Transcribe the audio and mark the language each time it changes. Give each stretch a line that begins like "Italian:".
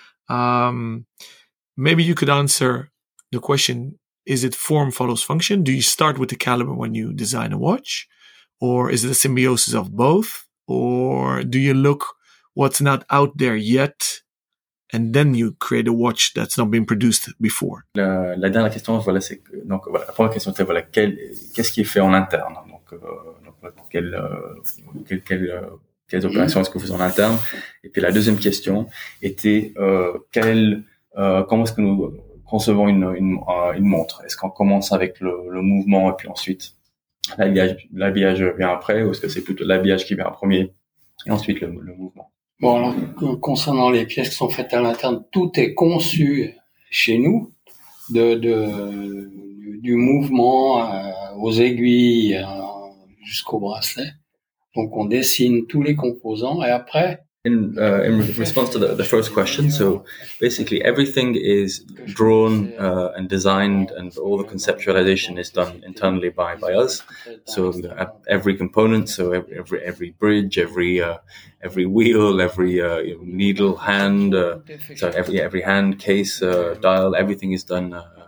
English: Maybe you could answer the question, is it form follows function? Do you start with the caliber when you design a watch? Or is it a symbiosis of both? Or do you look what's not out there yet, and then you create a watch that's not been produced before?
French: La dernière question, la première question, c'est qu'est-ce qui est fait en interne? Quelles opérations est-ce que vous faites en interne? Et puis la deuxième question était, comment est-ce que nous concevons une montre? Est-ce qu'on commence avec le mouvement et puis ensuite l'habillage vient après, ou est-ce que c'est plutôt l'habillage qui vient en premier et ensuite le mouvement? Bon, alors, concernant les pièces qui sont faites à l'interne, tout est conçu chez nous, du mouvement aux aiguilles jusqu'au bracelet. Donc, on dessine tous les composants et après.
English: In response to the first question, so basically everything is drawn and designed, and all the conceptualization is done internally by us. So every component, so every bridge, every wheel, every needle, hand, every hand case, dial, everything is done.